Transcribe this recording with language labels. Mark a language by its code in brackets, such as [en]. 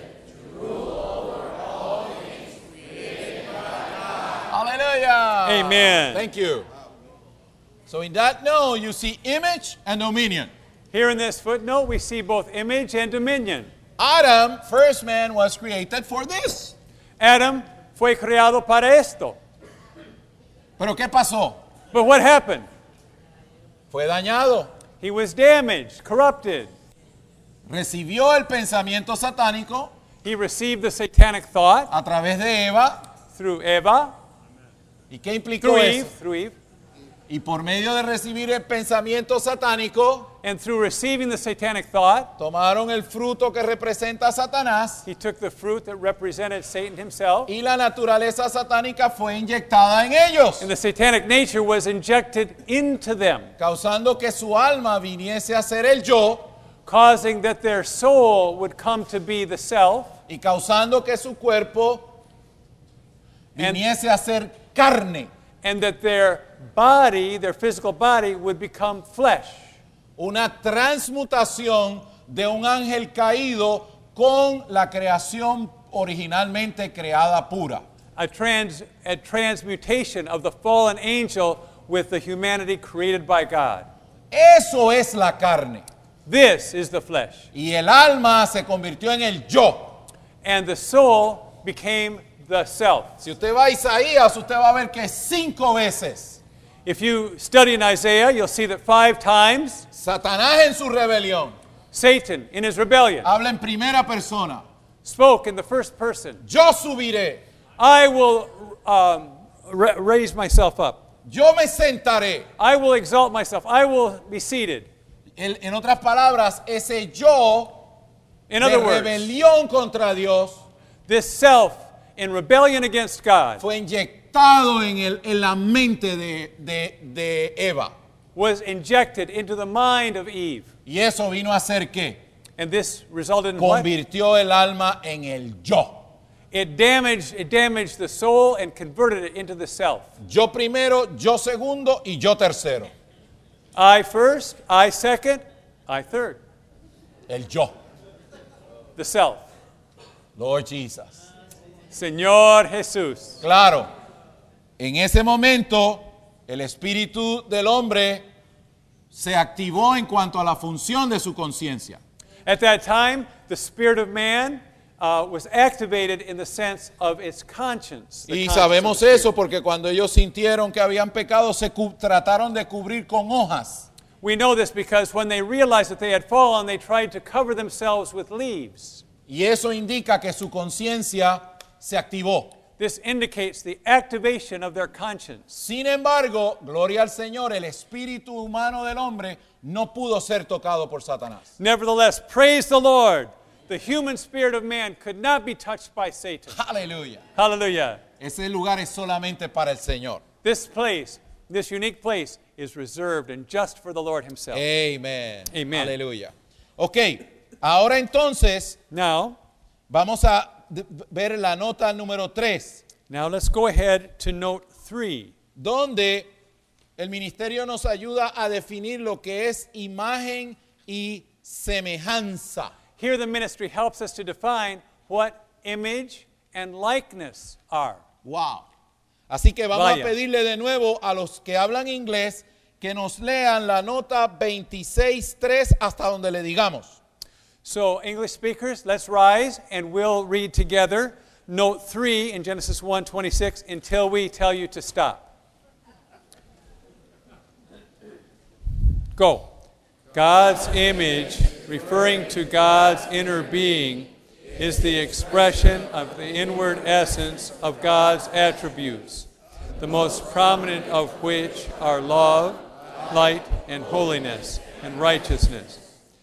[en] to rule over all things created by God. Hallelujah! Amen. Thank you. So in that note, you see image and dominion. Here in this footnote, we see both image and dominion. Adam, first man, was created for this. [es] Adam fue creado para esto. ¿Pero qué pasó? [en] But what happened? [es] Fue dañado. [en] He was damaged, corrupted. [es] Recibió el pensamiento satánico. [en] He received the satanic thought. [es] A través de Eva. [en] Through Eva. [es] ¿Y qué implicó [en] through [es] eso? [en] Eve, through Eve. [es] Y por medio de recibir el pensamiento satánico, [en] and through receiving the satanic thought, [es] tomaron el fruto que representa a Satanás. [en] He took the fruit that represented Satan himself. [es] Y la naturaleza satánica fue inyectada en ellos. [en] And the satanic nature was injected into them. [es] Causando que su alma viniese a ser el yo. [en] Causing that their soul would come to be the self. [es] Y causando que su cuerpo viniese a ser carne. [en] And that their body, their physical body, would become flesh. [es] Una transmutación de un ángel caído con la creación originalmente creada pura. [en] A transmutation of the fallen angel with the humanity created by God. [es] Eso es la carne. [en] This is the flesh. [es] Y el alma se convirtió en el yo. [en] And the soul became the self. [es] Si usted va a Isaías, usted va a ver que cinco veces. [en] If you study in Isaiah, you'll see that five times. [es] Satanás en su rebelión. [en] Satan in his rebellion. [es] Habla en primera persona. [en] Spoke in the first person. [es] Yo subiré. [en] I will raise myself up. [es] Yo me sentaré. [en] I will exalt myself. I will be seated. [es] En otras palabras, ese yo. [en] In other words, [es] rebelión contra Dios, [en] this self in rebellion against God [es] fue inyectado en la mente de Eva. [en] Was injected into the mind of Eve. [es] Y eso vino a hacer qué? [en] And this resulted in what? [es] Convirtió el alma en el yo. [en] It damaged the soul and converted it into the self. [es] Yo primero, yo segundo y yo tercero. [en] I first, I second, I third. [es] El yo. [en] The self. Lord Jesus. [es] Señor Jesús. Claro. En ese momento, el espíritu del hombre se activó en cuanto a la función de su conciencia. [en] At that time, the spirit of man was activated in the sense of its conscience. [es] Y sabemos eso porque cuando ellos sintieron que habían pecado, se trataron de cubrir con hojas. [en] We know this because when they realized that they had fallen, they tried to cover themselves with leaves. [es] Y eso indica que su conciencia se activó. [en] This indicates the activation of their conscience. [es] Sin embargo, gloria al Señor, el espíritu humano del hombre no pudo ser tocado por Satanás. [en] Nevertheless, praise the Lord, the human spirit of man could not be touched by Satan. Hallelujah. Hallelujah. [es] Ese lugar es solamente para el Señor. [en] This place, this unique place, is reserved and just for the Lord himself. Amen. Amen. [es] Hallelujah. Okay, ahora entonces, [en] now, [es] vamos a ver la nota número 3. [en] Now let's go ahead to note 3. [es] Donde el ministerio nos ayuda a definir lo que es imagen y semejanza. [en] Here the ministry helps us to define what image and likeness are. Wow. [es] Así que vamos a pedirle de nuevo a los que hablan inglés que nos lean la nota 26:3 hasta donde le digamos. [en] So, English speakers, let's rise and we'll read together note 3 in Genesis 1:26 until we tell you to stop. Go. God's image, referring to God's inner being, is the expression of the inward essence of God's attributes, the most prominent of which are love, light, and holiness, and righteousness.